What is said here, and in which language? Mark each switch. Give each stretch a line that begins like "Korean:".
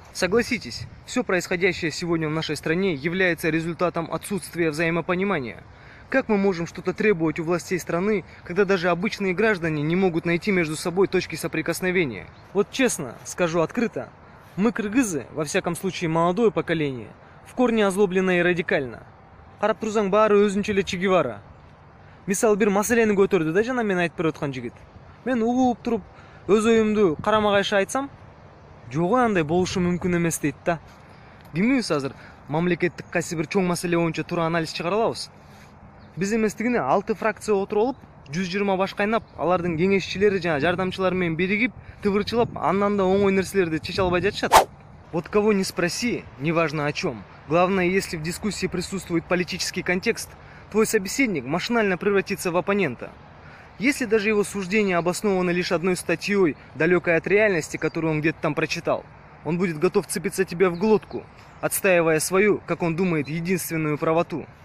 Russian: Согласитесь, все происходящее сегодня в нашей стране является результатом отсутствия взаимопонимания. Как мы можем что-то требовать у властей страны, когда даже обычные граждане не могут найти между собой точки соприкосновения? Вот честно, скажу открыто, мы кыргызы, во всяком случае молодое поколение, в корне озлоблено и радикально.
Kyrgyz: Карап турсаң баары өзүнчөле Че Гевара. Мисалы бир маселени көтөрдү да жана мен айтып бараткан жигит. Мен угуп туруп, өз оюмду карама-кайшы айтсам, жогу андай болушу мүмкүн эмес дейт да. Билмейбиз азыр мамлекеттик кайсы бир чоң маселе боюнча туура анализ чыгара алабыз. Биз эместигине 6 фракция отуруп алып, 120 баш кайнап, алардын кеңешчилери жана жардамчылары менен биригип, тыбырчылап, андан да оңой нерселерди чеч албай жатышат.
Russian: Вот кого не спроси, неважно о чем. Главное, если в дискуссии присутствует политический контекст, твой собеседник машинально превратится в оппонента. Если даже его суждения обоснованы лишь одной статьей, далекой от реальности, которую он где-то там прочитал, он будет готов цепиться тебе в глотку, отстаивая свою, как он думает, единственную правоту.